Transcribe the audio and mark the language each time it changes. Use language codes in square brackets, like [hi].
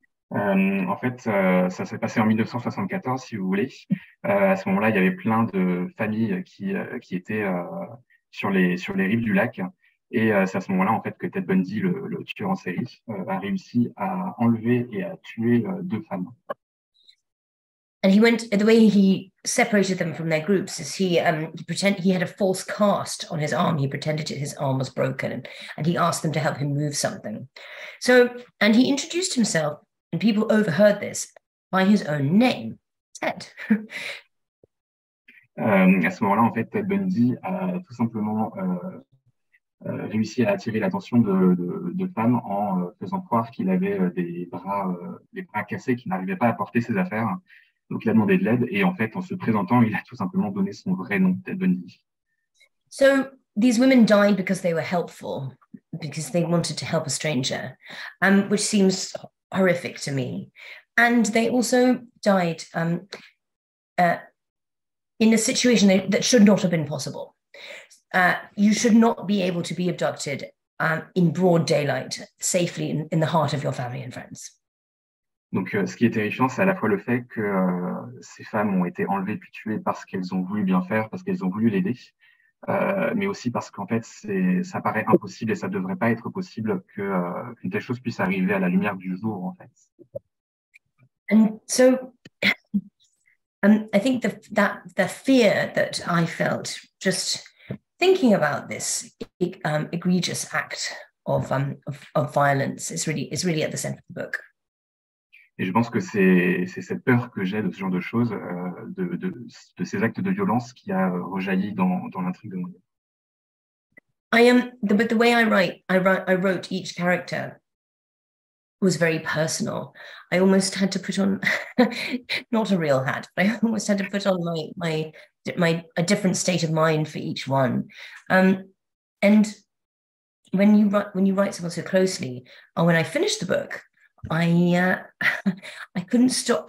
[fr] En fait, ça s'est passé en 1974, si vous voulez. À ce moment-là, il y avait plein de familles qui étaient sur les rives du lac. Et c'est à ce moment-là, en fait, que Ted Bundy, le tueur en série, a réussi à enlever et à tuer deux femmes. [en] And he went, the way he separated them from their groups is he had a false cast on his arm. He pretended that his arm was broken and he asked them to help him move something. So, and he introduced himself, and people overheard this, by his own name, Ted. [fr] À ce moment-là, en fait, Ted Bundy a tout simplement réussi à attirer l'attention de femmes en faisant croire qu'il avait des bras cassés, qu'il n'arrivait pas à porter ses affaires. Donc il a demandé de l'aide, et en fait, en se présentant, il a tout simplement donné son vrai nom, Ted Bundy. [en] So, these women died because they were helpful, because they wanted to help a stranger, which seems horrific to me. And they also died in a situation that should not have been possible. You should not be able to be abducted in broad daylight, safely in the heart of your family and friends. [fr] Donc, ce qui est terrifiant, c'est à la fois le fait que ces femmes ont été enlevées puis tuées parce qu'elles ont voulu bien faire, parce qu'elles ont voulu l'aider, mais aussi parce qu'en fait, ça paraît impossible et ça ne devrait pas être possible qu'une telle chose puisse arriver à la lumière du jour, en fait. [en] And so, I think the fear that I felt just thinking about this egregious act of violence is really at the center of the book. [fr] Et je pense que c'est cette peur que j'ai de ce genre de choses, de ces actes de violence qui a rejailli dans l'intrigue de mon livre. [en] I am, but the way I wrote each character was very personal. I almost had to put on, not a real hat, but I almost had to put on my a different state of mind for each one. And when you write someone so closely, or when I finished the book, I couldn't stop.